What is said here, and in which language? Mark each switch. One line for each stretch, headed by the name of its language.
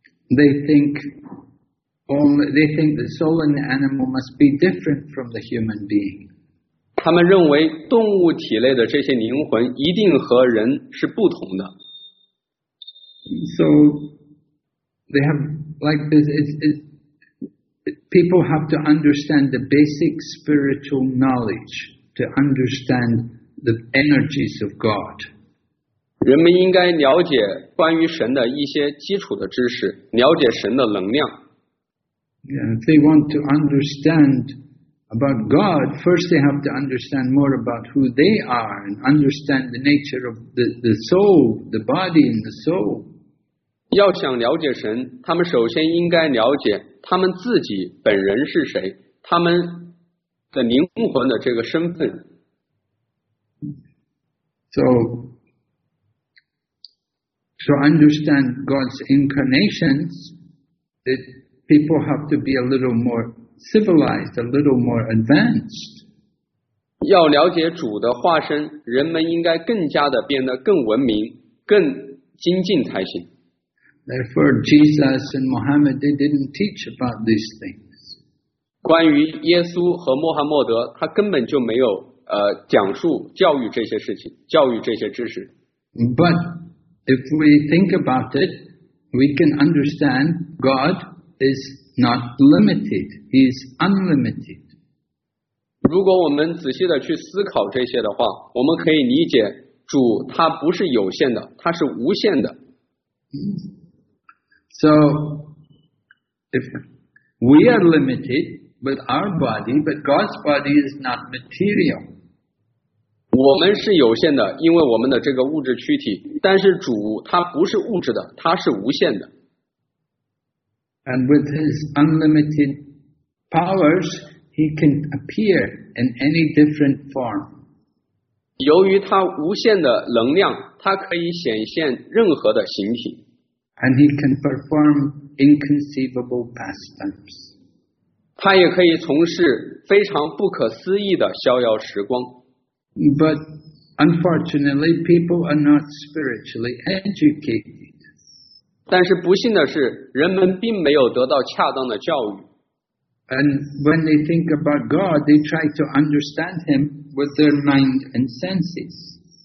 English: They think the soul in the animal must be different from the human being.
Chinese: 他们认为动物体内的这些灵魂一定和人是不同的。
English: So they have like this. People have to understand the basic spiritual knowledge to understand. The energies of God.
Chinese: 人们应该了解关于神的一些基础的知识，了解神的能量。
English: Yeah, if they want to understand about God, first they have to understand more about who they are and understand the nature of the soul, the body and the soul.
Chinese: 要想了解神，他们首先应该了解他们自己本人是谁，他们的灵魂的这个身份。
English: So understand God's incarnations, that people have to be a little more civilized, a little more advanced.
Chinese: 要了解主的化身，人们应该更加的变得更文明、更精进才行。
English: Therefore, Jesus and Muhammad, they didn't teach about these things.
Chinese: 关于耶稣和穆罕默德，他根本就没有讲述教育这些事情，教育这些知识。
English: But if we think about it, we can understand God is not limited; He is unlimited.
Chinese: 如果我们仔细的去思考这些的话，我们可以理解主他不是有限的，他是无限的。
English: So if we are limited with our body, but God's body is not material.
Chinese: 我们是有限的，因为我们的这个物质躯体，但是主他不是物质的，他是无限的。
English: And with his unlimited powers, he can appear in any different form.
Chinese: 由于他无限的能量，他可以显现任何的形体。
English: And he can perform inconceivable pastimes.
Chinese: 他也可以从事非常不可思议的逍遥时光。
English: But unfortunately, people are not spiritually educated.
Chinese: 但是不幸的是，人们并没有得到恰当的教育。
English: And when they think about God, they try to understand Him with their mind and senses.